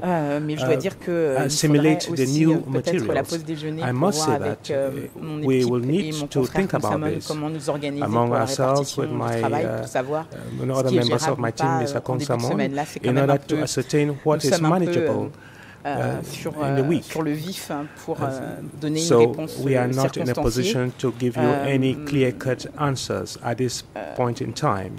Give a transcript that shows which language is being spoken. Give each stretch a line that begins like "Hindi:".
English: assimilate the new materials, I must say that we will need to think about this among ourselves with my other members of my team, Mr. Consamon, in order to ascertain what is manageable in the week.
French: Sur le vif, hein, pour, donner so une réponse
English: we are not in a position to give you any clear-cut answers at this point in time.